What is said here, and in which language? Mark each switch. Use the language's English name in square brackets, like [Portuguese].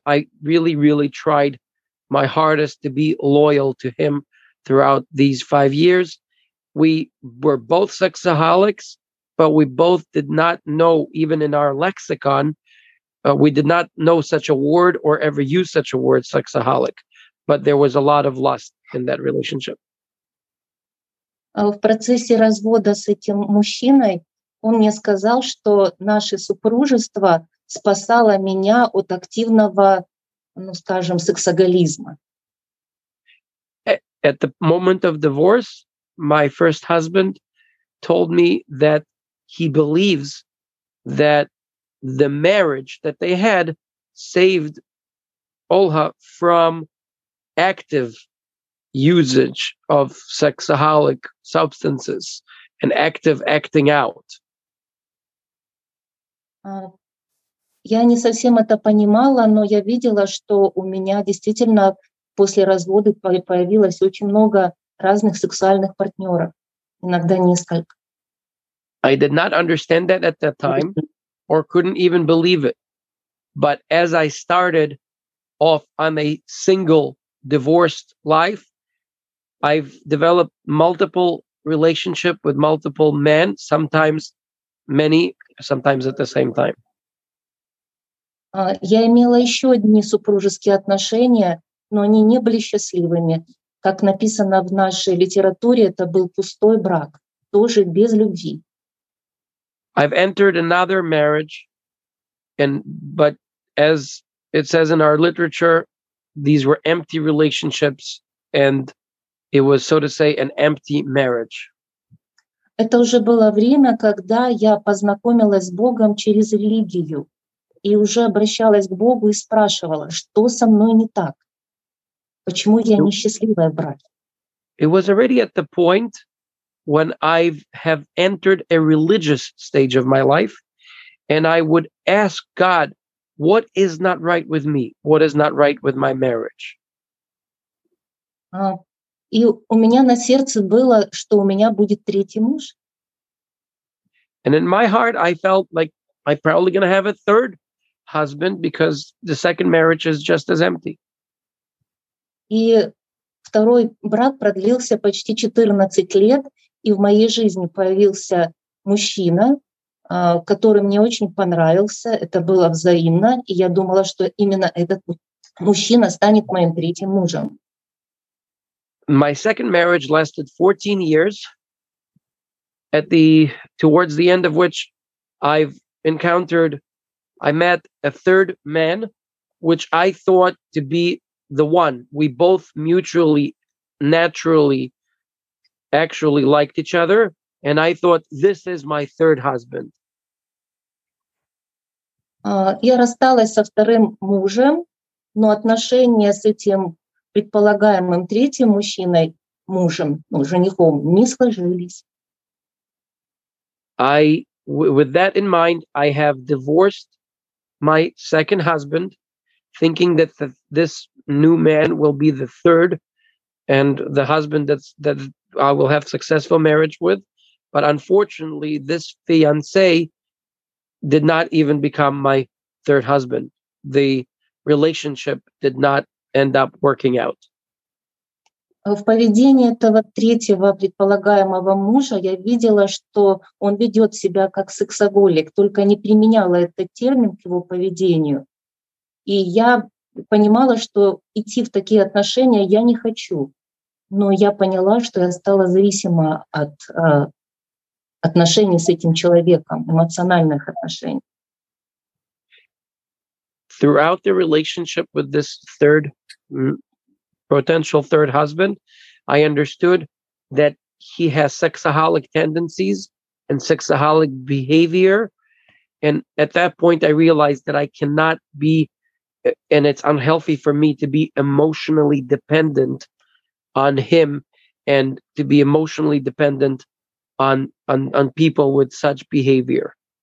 [English] I really, really tried my hardest to be loyal to him throughout these 5 years. We were both sexaholics, but we both did not know, even in our lexicon, we did not know such a word or ever use such a word, sexaholic. But there was a lot of lust in that relationship. [Russian] В процессе развода с этим мужчиной он мне сказал, что наше супружество спасало меня от активного, ну, скажем, сексоголизма. [English] At the moment of divorce, my first husband told me that he believes that the marriage that they had saved Olha from active usage of sexaholic substances and active acting out. [Russian] Я не совсем это понимала, но я видела, что у меня действительно после развода появилось очень много разных сексуальных партнеров, иногда несколько. [English] I did not understand that at that time, or couldn't even believe it. But as I started off on a single divorced life, I've developed multiple relationships with multiple men, sometimes many, sometimes at the same time. [Russian] Я имела еще одни супружеские отношения, но они не были счастливыми. Как написано в нашей литературе, это был пустой брак, тоже без любви. [English] I've entered another marriage, but as it says in our literature, these were empty relationships, and it was, so to say, an empty marriage. [Russian] Это уже было время, когда я познакомилась с Богом через религию. И уже обращалась к Богу и спрашивала, что со мной не так? Почему я несчастливая в браке? [English] It was already at the point when I have entered a religious stage of my life, and I would ask God, what is not right with me? What is not right with my marriage? [Russian] И у меня на сердце было, что у меня будет третий муж. [English] And in my heart, I felt like I'm probably going to have a third husband, because the second marriage is just as empty. [Russian] И второй брак продлился почти 14 лет, и в моей жизни появился мужчина, который мне очень понравился. Это было взаимно, и я думала, что именно этот мужчина станет моим третьим мужем. [English] My second marriage lasted 14 years, towards the end of which I met a third man, which I thought to be the one. We both mutually, naturally, actually liked each other, and I thought, this is my third husband. [Russian] Я рассталась со вторым мужем, но отношения с этим предполагаемым третьим мужчиной, мужем, ну, женихом, не сложились. [English] With that in mind, I have divorced my second husband, thinking that this new man will be the third and the husband that I will have successful marriage with. But unfortunately, this fiancé did not even become my third husband. The relationship did not end up working out. [Russian] В поведении этого третьего предполагаемого мужа я видела, что он ведет себя как сексоголик, только не применяла этот термин к его поведению. И я понимала, что идти в такие отношения я не хочу. Но я поняла, что я стала зависима от отношений с этим человеком, эмоциональных отношений. [English] Throughout the relationship with this third potential third husband, I understood that he has sexaholic tendencies and sexaholic behavior. And at that point, I realized that I cannot be, and it's unhealthy for me to be emotionally dependent on him and to be emotionally dependent on people with such behavior.